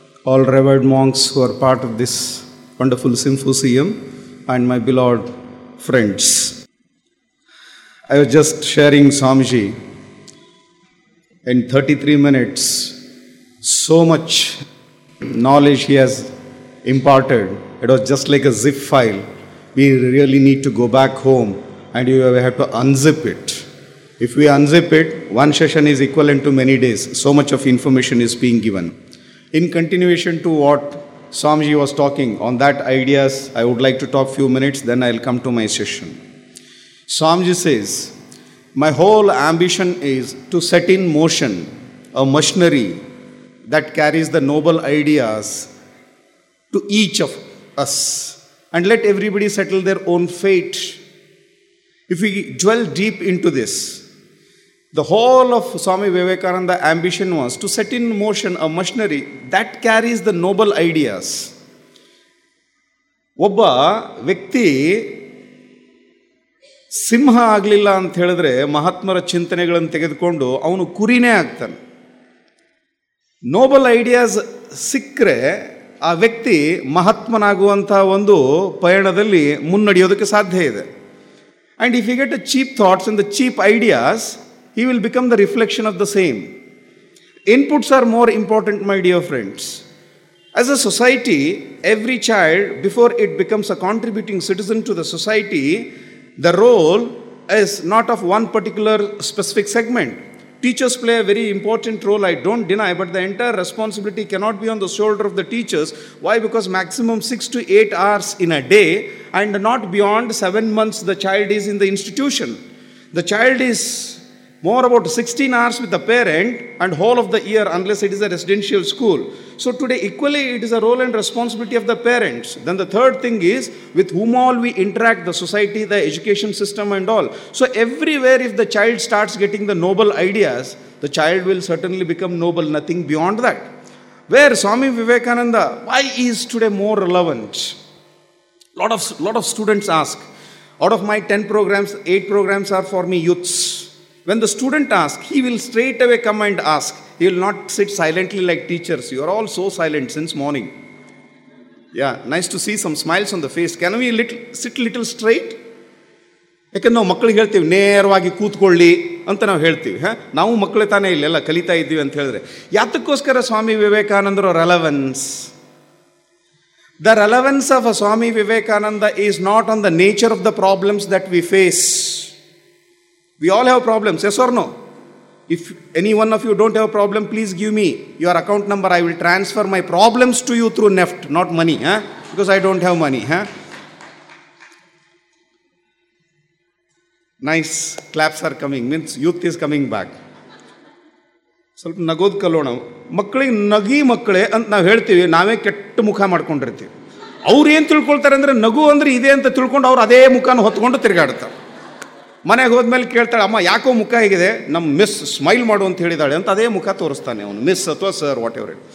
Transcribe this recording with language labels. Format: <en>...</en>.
<en>All revered monks who are part of this wonderful symposium and my beloved friends, I was just sharing Swamiji in 33 minutes so much knowledge he has imparted. It was just like a zip file. We really need to go back home and you have to unzip it. If we unzip it, one session is equivalent to many days. So much of information is being given. In continuation to what Swamiji was talking, on that ideas, I would like to talk few minutes, then I'll come to my session. Swamiji says, my whole ambition is to set in motion a machinery that carries the noble ideas to each of us. And let everybody settle their own fate. If we dwell deep into this, the whole of Swami Vivekananda's ambition was to set in motion a machinery that carries the noble ideas.</en> <kn>ಒಬ್ಬ ವ್ಯಕ್ತಿ ಸಿಂಹ ಆಗಲಿಲ್ಲ ಅಂತ ಹೇಳಿದ್ರೆ ಮಹಾತ್ಮರ ಚಿಂತನೆಗಳನ್ನು ತೆಗೆದುಕೊಂಡು ಅವನು ಕುರಿನೇ ಆಗ್ತಾನೆ. ನೋಬಲ್ ಐಡಿಯಾಸ್ ಸಿಕ್ಕರೆ ಆ ವ್ಯಕ್ತಿ ಮಹಾತ್ಮನಾಗುವಂಥ ಒಂದು ಪಯಣದಲ್ಲಿ ಮುನ್ನಡೆಯೋದಕ್ಕೆ ಸಾಧ್ಯ ಇದೆ.</kn> <en>And if you get a cheap thoughts and the cheap ideas, he will become the reflection of the same. Inputs are more important my dear friends. As a society, every child before it becomes a contributing citizen to the society, the role is not of one particular specific segment. Teachers play a very important role, I don't deny, but the entire responsibility cannot be on the shoulder of the teachers. Why? Because maximum 6 to 8 hours in a day and not beyond 7 months the child is in the institution. The child is more about 16 hours with the parent and whole of the year unless it is a residential school. So today equally it is a role and responsibility of the parents. Then the third thing is with whom all we interact, the society, the education system and all. So everywhere if the child starts getting the noble ideas, the child will certainly become noble, nothing beyond that. Where Swami Vivekananda, why is today more relevant? Lot of students ask, out of my 10 programs, 8 programs are for me youths. When the student asks, he will straight away come and ask. He will not sit silently like teachers. You are all so silent since morning. Yeah, nice to see some smiles on the face. Can we sit little straight?</en> <kn>ಯಾಕಂದ್ರೆ ನಾವು ಮಕ್ಕಳಿಗೆ ಹೇಳ್ತೀವಿ ನೇರವಾಗಿ ಕೂತ್ಕೊಳ್ಳಿ ಅಂತ ನಾವು ಹೇಳ್ತೀವಿ. ಹಾ, ನಾವು ಮಕ್ಕಳೇ ತಾನೇ ಇಲ್ಲೆಲ್ಲ ಕಲಿತಾ ಇದ್ದೀವಿ ಅಂತ ಹೇಳಿದ್ರೆ ಯಾತಕ್ಕೋಸ್ಕರ ಸ್ವಾಮಿ ವಿವೇಕಾನಂದರ relevance?</kn> <en>The relevance of a Swami Vivekananda is not on the nature of the problems that we face. We all have problems, yes or no? If any one of you don't have a problem, please give me your account number. I will transfer my problems to you through NEFT, not money, huh? Because I don't have money. Huh? Nice claps are coming, means youth is coming back.</en> <kn>ಸ್ವಲ್ಪ ನಗೋದ್ ಕಲೋಣ. ಮಕ್ಕಳಿಗೆ ನಗಿ ಮಕ್ಕಳೇ ಅಂತ ನಾವು ಹೇಳ್ತೀವಿ, ನಾವೇ ಕೆಟ್ಟ ಮುಖ ಮಾಡ್ಕೊಂಡಿರ್ತೀವಿ. ಅವ್ರೇನು ತಿಳ್ಕೊಳ್ತಾರೆ ಅಂದರೆ ನಗು ಅಂದರೆ ಇದೆ ಅಂತ ತಿಳ್ಕೊಂಡು ಅವ್ರು ಅದೇ ಮುಖನ ಹೊತ್ಕೊಂಡು ತಿರುಗಾಡ್ತಾರೆ. ಮನೆಗೆ ಹೋದ್ಮೇಲೆ ಕೇಳ್ತಾಳೆ, ಅಮ್ಮ ಯಾಕೋ ಮುಖ ಹೇಗಿದೆ, ನಮ್ಮ ಮಿಸ್ ಸ್ಮೈಲ್ ಮಾಡು ಅಂತ ಹೇಳಿದಾಳೆ ಅಂತ ಅದೇ ಮುಖ ತೋರಿಸ್ತಾನೆ ಅವನು, ಮಿಸ್ ಅಥವಾ ಸರ್,</kn> <en>Whatever.</en>